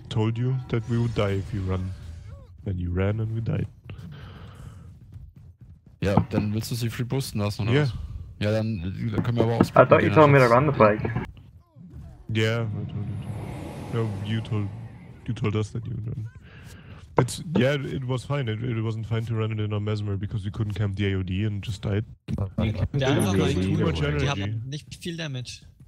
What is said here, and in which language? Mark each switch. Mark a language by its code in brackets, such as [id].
[en] Told you that we would die if you run. Then you ran and we died. [de] Ja, dann willst du sie free boosten lassen, oder was? Ja, dann können wir aber auch [en] splitten. I thought you told me to run the flag. Yeah, I told you. No, you told us that you would run. It's, yeah, it was fine. It wasn't fine to run it in a Mesmer because we couldn't camp the AOD and just died. [de] Die haben nicht viel Damage.